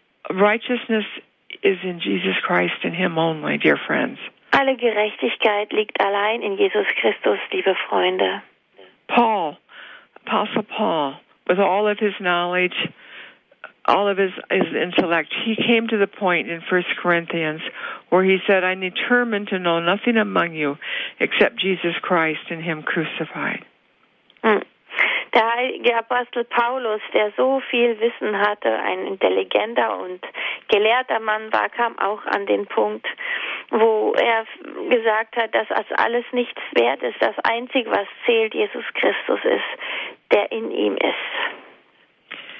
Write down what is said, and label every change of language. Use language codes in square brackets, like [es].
[en] Righteousness is in Jesus Christ and Him only, dear friends. [de] Alle Gerechtigkeit liegt allein in Jesus Christus, liebe Freunde. [en] Paul, Apostle Paul, with all of his knowledge, all of his intellect, he came to the point in 1 Corinthians where he said, I'm determined to know nothing among you except Jesus Christ and him crucified. [de] Der heilige Apostel Paulus, der so viel Wissen hatte, ein intelligenter und gelehrter Mann war, kam auch an den Punkt, wo er gesagt hat, dass alles nichts wert ist. Das Einzige, was zählt, Jesus Christus ist, der in ihm ist.